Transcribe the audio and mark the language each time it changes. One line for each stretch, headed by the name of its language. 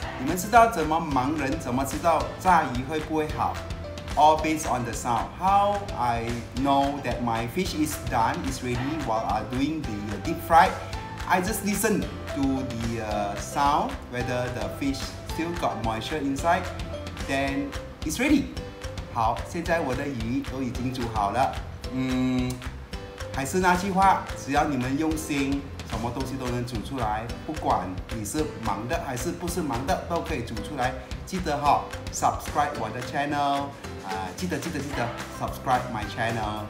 Chinese: 你们知道怎么盲人怎么知道炸鱼会不会好？
English: All based on the sound. How I know that my fish is done, is ready while I doing the deep fry. I just listen to the sound, whether the fish still got moisture inside, then it's ready.
Chinese: 好，现在我的鱼都已经煮好了。还是那句话，只要你们用心，什么东西都能煮出来，不管你是忙的还是不是忙的，都可以煮出来。记得哈 ，subscribe 我的 channel 啊，记得
English: subscribe my channel.